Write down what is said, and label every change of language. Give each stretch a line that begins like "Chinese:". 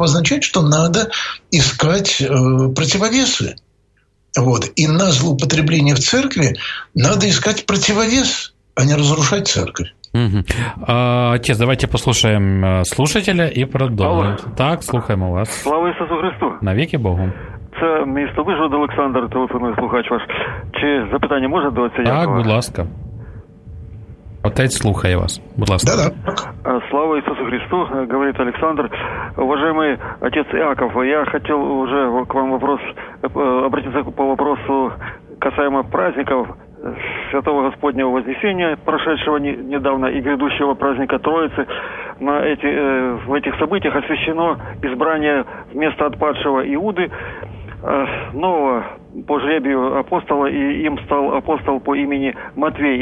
Russian: Означает, что надо искать противовесы. Вот. И на злоупотребление в церкви надо искать противовес, а не разрушать церковь. Угу. А, отец, давайте послушаем слушателя и продолжим. Алло.
Ukrainian: Так, слухаем у вас. Слава Ісусу Христу. Навіки Богу. Це місто Вижгород, Олександр, телефонує слухач ваш. Чи запитання може до отця Якова? Так, будь ласка. Отець слухає вас. Будь ласка.
Russian: Да-да.
Ukrainian: Слава Ісусу Христу, говорить Олександр.
Russian: Уважаемый отец Яков, я хотел уже к вам вопрос обратиться по вопросу касаемо праздников Святого Господнего Вознесения, прошедшего недавно, и грядущего праздника Троицы. На эти, в этих событиях освящено избрание вместо отпадшего Иуды нового по жребию апостола, и им стал апостол по имени Матвей.